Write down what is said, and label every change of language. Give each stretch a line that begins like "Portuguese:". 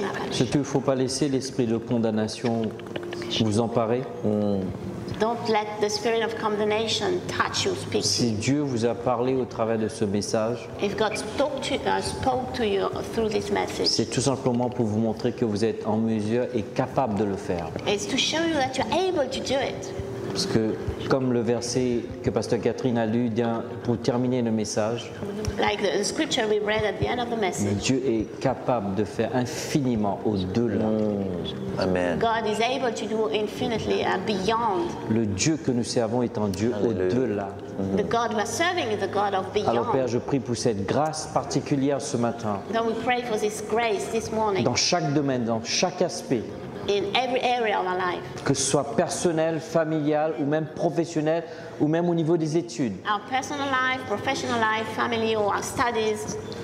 French: Surtout, il ne faut pas laisser l'esprit de condamnation vous emparer.
English: Don't let the spirit of condemnation touch you, speak.
French: Si Dieu vous a parlé au travers de ce message,
English: if God spoke to you through this message,
French: c'est tout simplement pour vous montrer que vous êtes en mesure et capable de le faire.
English: It's to show you that you're able to do it.
French: Parce que, comme le verset que Pasteur Kathryn a lu pour terminer le message,
English: like the scripture we read at the end of the message,
French: Dieu est capable de faire infiniment au-delà. Amen.
English: God is able to do infinitely beyond.
French: Le Dieu que nous servons est un Dieu au-delà.
English: The God we're serving is the God of beyond.
French: Alors Père, je prie pour cette grâce particulière ce matin.
English: Then we pray for this grace this morning.
French: Dans chaque domaine, dans chaque aspect.
English: In every area of our life.
French: Que ce soit personnel, familial ou même professionnel ou même au niveau des études.
English: Our personal life, professional life, family or our studies.